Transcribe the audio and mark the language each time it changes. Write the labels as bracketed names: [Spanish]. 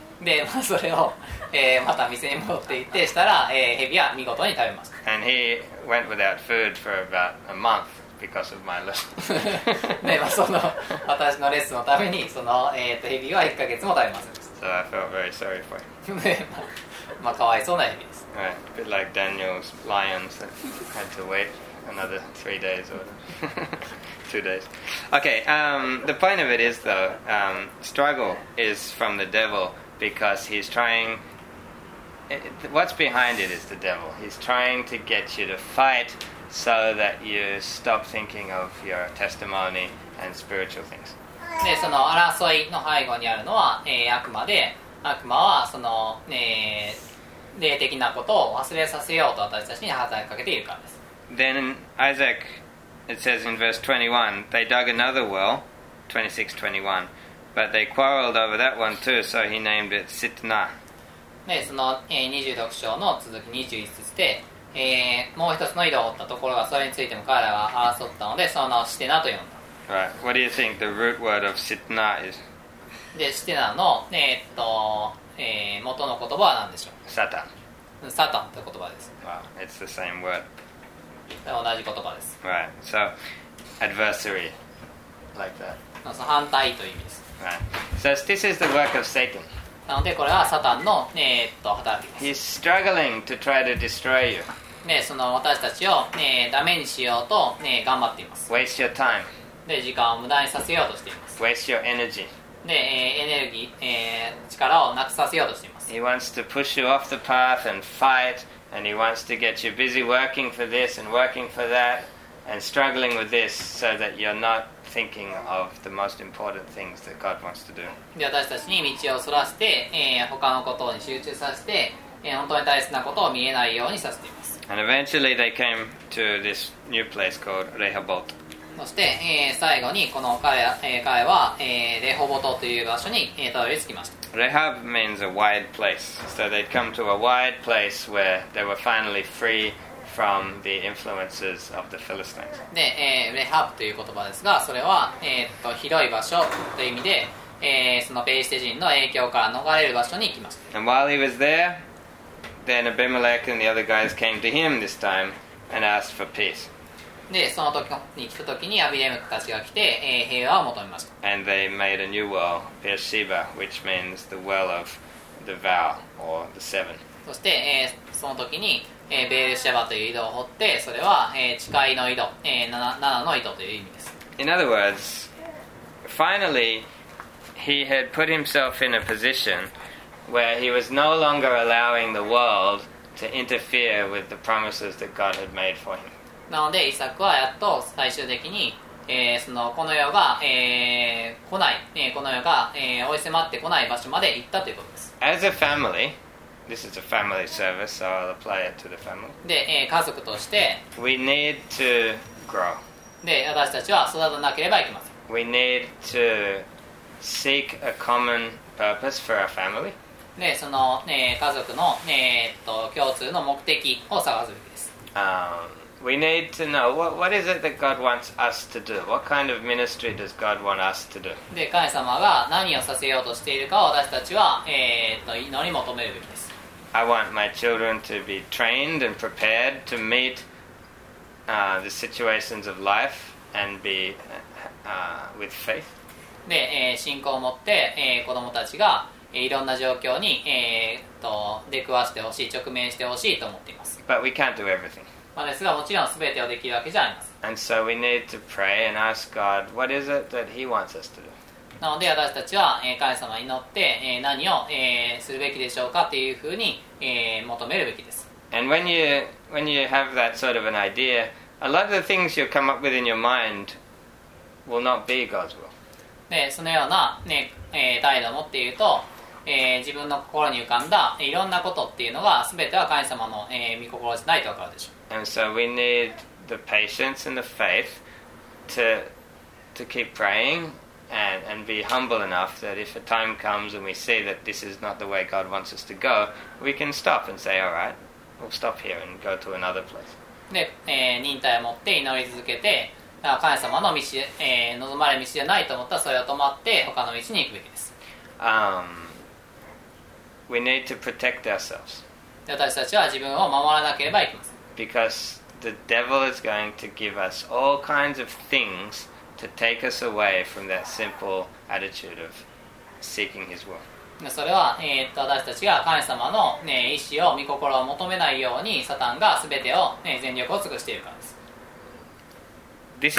[Japanese] で、まあ、それを、また店に戻って行ってしたら、蛇は見事に食べました。 [English] And he went without food for about a month because of my lesson. [Japanese] で、まあ、その私のレッスンのためにその、蛇は1ヶ月も食べませんでした。 [English] So I felt very sorry for him. [Japanese] まあ、まあ、かわいそうな蛇。 [English] Right, a bit like Daniel's lions that had to wait another 3 days or 2 days. Okay, the point of it is though, struggle is from the devil because he's trying, what's behind it is the devil. He's trying to get you to fight so that you stop thinking of your testimony and spiritual things. [Japanese] で、その争いの背後にあるのは、悪魔で、悪魔はその、霊的なことを忘れさせようと私たちに働きかけているからです。 [English] Then Isaac, it says in verse 21, they dug another well, 26:21, but they quarreled over that one too, so he named it Sitna. [Japanese] で、その26章の続き21節で、もう一つの井戸を掘ったところがそれについても彼らが争ったので、その名をシテナと呼んだ。 [English] Right. What do you think the root word of Sitna is? [Japanese] で、シテナの、元の言葉は何でしょう？サタン。サタンという言葉です。 [English] Wow, it's the same word. [Japanese] 同じ言葉です。 [English] Right, so adversary, like that. [Japanese] まず反対という意味です。 [English] Right, so this is the work of Satan. [Japanese] なのでこれはサタンの働きです。 [English] He's struggling to try to destroy you. [Japanese] ね、その私たちを、ダメにしようと、頑張っています。 [English] Waste your time. [Japanese] で、時間を無駄にさせようとしています。 [English] Waste your energy. [Japanese] で、エネルギー、力をなくさせようとしています。 [English] He wants to push you off the path and fight, and he wants to get you busy working for this and working for that and struggling with this so that you're not thinking of the most important things that God wants to do. [Japanese] で、私たちに道をそらして、他のことに集中させて、本当に大切なことを見えないようにさせています。 [English] And eventually they came to this new place called Rehobot. [Japanese] そして、最後にこの 彼は、レホボトという場所にたどり着きました。 [English] Rehab means a wide place. So they'd come to a wide place where they were finally free from the influences of the Philistines. [Japanese] で、レハブという言葉ですが、それは、広い場所という意味で、そのペリシテ人の影響から逃れる場所に行きました。 [English] And while he was there, then Abimelech and the other guys came to him this time and asked for peace. [Japanese] で、その時に来た時にアビレムクたちが来て、平和を求めました。 [English] And they made a new well, Beersheba, which means the well of the vow, or the seven. [Japanese] そして、その時に、ベールシェバという井戸を掘って、それは、誓いの井戸、七の井戸という意味です。 [English] In other words, finally, he had put himself in a position where he was no longer allowing the world to interfere with the promises that God had made for him. [Japanese] なのでイサクはやっと最終的に、そのこの世が、来ない、この世が、追い迫ってこない場所まで行ったということです。 [English] As a family, this is a family service, so I'll apply it to the family. [Japanese] で、家族として、 [English] We need to grow. [Japanese] で、私たちは育たなければいけません。 [English] We need to seek a common purpose for our family. [Japanese] で、その、家族の、共通の目的を探すべきです。 [English] We need to know what is it that God wants us to do? What kind of ministry does God want us to do? [Japanese] で、神様が何をさせようとしているかを私たちは、祈り求めるべきです。 [English] I want my children to be trained and prepared to meet, the situations of life and be, with faith. [Japanese] で、信仰を持って、子供たちが、いろんな状況に、出くわしてほしい、直面してほしいと思っています。 [English] But we can't do everything. [Japanese] ですがもちろん全てはできるわけじゃありません。 [English] And so we need to pray and ask God, what is it that He wants us to do? [Japanese] なので私たちは神様に祈って何をするべきでしょうかというふうに求めるべきです。 [English] And when you have that sort of an idea, a lot of the things you come up with in your mind will not be God's will. [Japanese] で、そのような、ね、態度を持っていると、自分の心に浮かんだいろんなことっていうのは全ては神様の御心じゃないと分かるでしょう。 [English] And so we need the patience and the faith to keep praying and be humble enough that if a time comes and we see that this is not the way God wants us to go, we can stop and say, all right, we'll stop here and go to another place. [Japanese] で、忍耐を持って祈り続けて、神様の道、望まれる道じゃないと思ったらそれを止まって他の道に行くべきです。 [English] We need to protect ourselves. [Japanese] 私たちは自分を守らなければいけません。 [English] Because the devil is going to give us all kinds of things to take us away from that simple attitude of seeking his will. [Japanese] それは、私たちが神様の、ね、意思を、御心を求めないように、サタンが全てを、ね、全力を尽くしているからです。